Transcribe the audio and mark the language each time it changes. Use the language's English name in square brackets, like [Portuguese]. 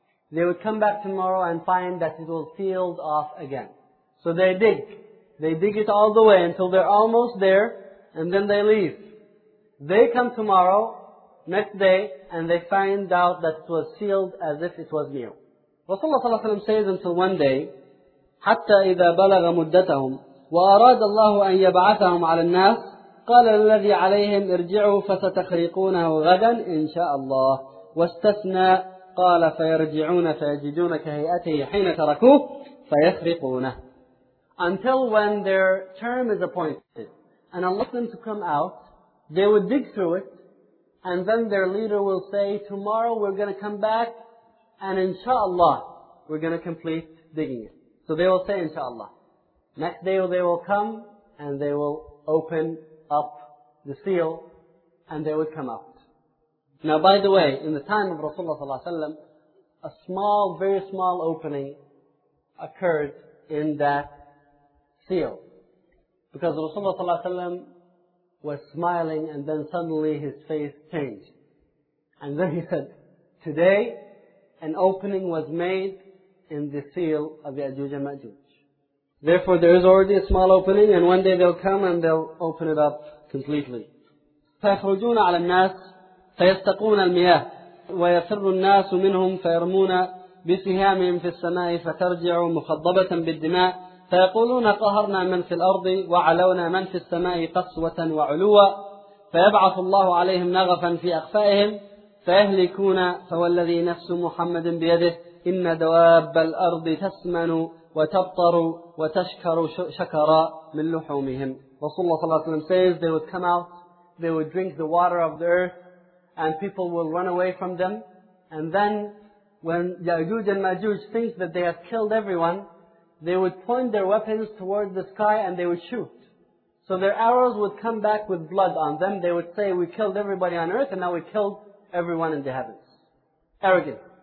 [English] They would come back tomorrow and find that it was sealed off again. So they dig. They dig it all the way until they're almost there, and then they leave. They come tomorrow, next day, and they find out that it was sealed as if it was new. Rasulullah ﷺ says until one day, [Arabic] حَتَّى إِذَا بَلَغَ مُدَّتَهُمْ وَأَرَادَ اللَّهُ أَن يَبْعَثَهُمْ عَلَى النَّاسِ قَالَ الَّذِي عَلَيْهِمْ ارْجِعُوا فَسَتَخْرِقُونَهُ غَدًا إِنْ شَاءَ اللَّهُ وَاسْتَثْنَى قَالَ فَيَرْجِعُونَ فَيَجِدُونَ كَهَيْئَتِهِ حِينَ تَرَكُوهُ فَيَخْرِقُونَهُ. [English] Until when their term is appointed and Allah them to come out, they would dig through it And then their leader will say, tomorrow we're going to come back and inshallah we're going to complete digging it. So they will say inshallah. Next day they will come and they will open up the seal and they will come out. Now by the way, in the time of Rasulullah sallallahu alaihi wasallam, a small, very small opening occurred in that seal. Because Rasulullah sallallahu alaihi wasallam was smiling and then suddenly his face changed. And then he said, today an opening was made in the seal of Ya'juj and Ma'juj. Therefore there is already a small opening and one day they'll come and they'll open it up completely. [Arabic] فَيَخْرُجُونَ عَلَى النَّاسِ فَيَسْتَقُونَ الْمِيَاهِ وَيَفِرُّ النَّاسُ مِنْهُمْ فَيَرْمُونَ بِسِهَامِهِمْ فِي السَّمَاءِ فَتَرْجِعُ مُخَضَّبَةً بِالدِّمَاءِ فيقولون قهرنا من في الأرض وعلونا من في السماء قسوة وعلوة فيبعث الله عليهم نغفا في أخفائهم فيهلكون فوالذي نفس محمد بيده إن دواب الأرض تسمن وتبطر وتشكر شكرا من لحومهم. رسول الله صلى الله عليه وسلم [English] says they would come out, they would drink the water of the earth and people will run away from them, and then when Ya'juj and Ma'juj thinks that they have killed everyone, they would point their weapons toward the sky and they would shoot. So their arrows would come back with blood on them. They would say, we killed everybody on earth and now we killed everyone in the heavens. Arrogant.